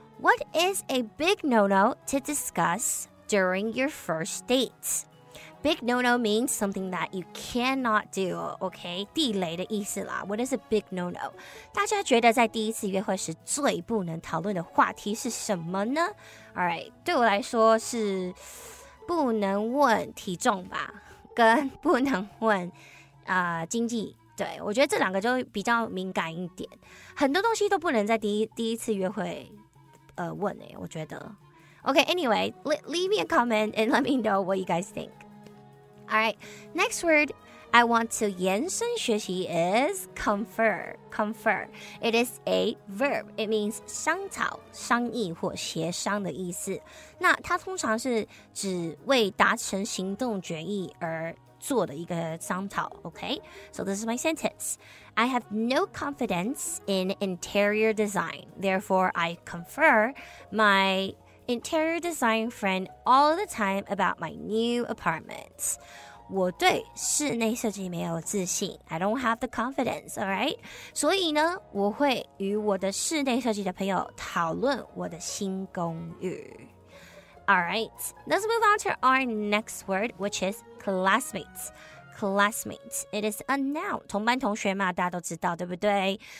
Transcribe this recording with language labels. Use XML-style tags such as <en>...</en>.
<en>What is a big no-no to discuss during your first date? Big no-no means something that you cannot do, okay?</en> <zh>地雷的意思啦。</zh> <en>What is a big no-no?</en> <zh>大家觉得在第一次约会时最不能讨论的话题是什么呢？ Alright, 对我来说是不能问体重吧，跟不能问经济。对，我觉得这两个就比较敏感一点。很多东西都不能在第一次约会问我觉得。</zh> <en>Okay, anyway, leave me a comment and let me know what you guys think. Alright, next word I want to</en> <zh>延伸学习</zh> <en>is confer. It is a verb. It means</en> <zh>商讨、商议或协商的意思。那它通常是指为达成行动决议而做的一个商讨</zh> <en>OK So this is my sentence I have no confidence in interior design Therefore I confer my interior design friend all the time about my new apartment</en> <zh>我对室内设计没有自信</zh> <en>I don't have the confidence Alright</en> <zh>所以呢我会与我的室内设计的朋友讨论我的新公寓</zh> <en>Alright, let's move on to our next word, which is classmates. Classmates, it is a noun.</en> <zh>同班同学嘛，大家都知道，对不对？</zh>